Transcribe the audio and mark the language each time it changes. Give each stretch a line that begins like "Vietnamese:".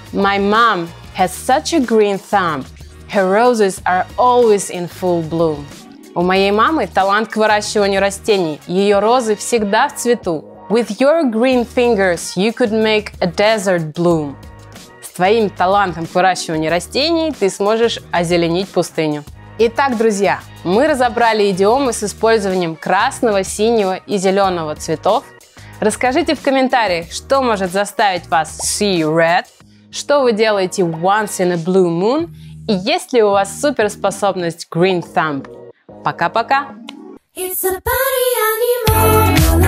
English: My mom has such a green thumb. Her roses are always in full bloom.
Russian: У моей мамы талант к выращиванию растений. Ее розы всегда в цвету.
English: With your green fingers, you could make a desert bloom.
Russian: С твоим талантом к выращиванию растений ты сможешь озеленить пустыню. Итак, друзья, мы разобрали идиомы с использованием красного, синего и зеленого цветов. Расскажите в комментариях, что может заставить вас
English: see red,
Russian: что вы делаете
English: once in a blue moon
Russian: и есть ли у вас суперспособность
English: green thumb.
Russian: Пока-пока!
English: It's a party animal.